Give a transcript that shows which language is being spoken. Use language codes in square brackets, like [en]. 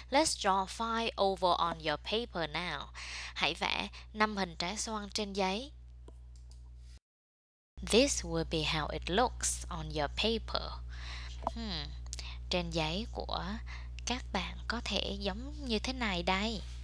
[en] Let's draw five oval on your paper now. [vi] Hãy vẽ 5 hình trái xoan trên giấy. [en] This will be how it looks on your paper. [vi] Trên giấy của các bạn có thể giống như thế này đây.